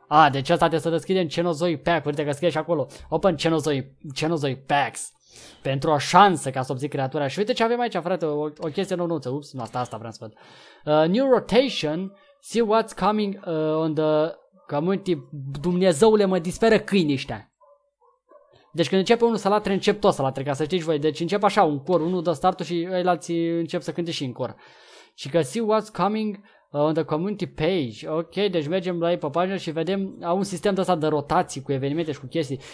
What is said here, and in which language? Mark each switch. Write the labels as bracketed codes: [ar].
[ro] Deci asta trebuie să deschidem Cenozoic Pack. Uite că scrie și acolo [en] Open Cenozoic Packs [ro] pentru o șansă ca să obții creatura. Și uite ce avem aici, frate, o chestie nouă. Ups, nu asta vreau să văd. [en] New rotation, see what's coming on the community. [ro] Dumnezeule, mă disperă câinii ăștia. Deci când începe unul să latre, încep tot să latre, ca să știți voi. Deci încep așa un cor, unul dă startul și ei alții încep să cânte și în cor. Și că [en] see what's coming on the community page. [ro] Ok, deci mergem la ei pe pagină și vedem, au un sistem de ăsta de rotații cu evenimente și cu chestii.